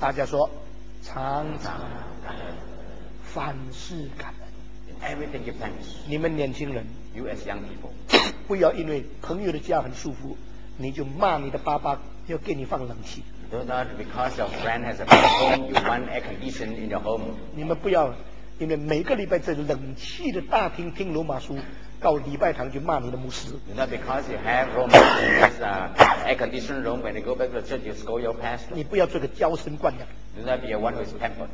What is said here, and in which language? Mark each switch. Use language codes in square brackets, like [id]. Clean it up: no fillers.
[zh] 大家说，常常感恩，凡事感恩。 [en] In everything, give thanks. [zh] 你们年轻人 [en] ，You as young people, [zh] 不要因为朋友的家很舒服。你就骂你的爸爸要给你放冷气。 [en] Do not because your friend has a bad home, you want air condition in your home. [zh] 你们不要，因为每个礼拜在冷气的大厅听罗马书，到礼拜堂就骂你的牧师。 [en] Do not because you have Roman air condition room, when you go back to the church, you scold your pastor. [zh] 你不要做个娇生惯养。 [en] Do not be a one who is pampered.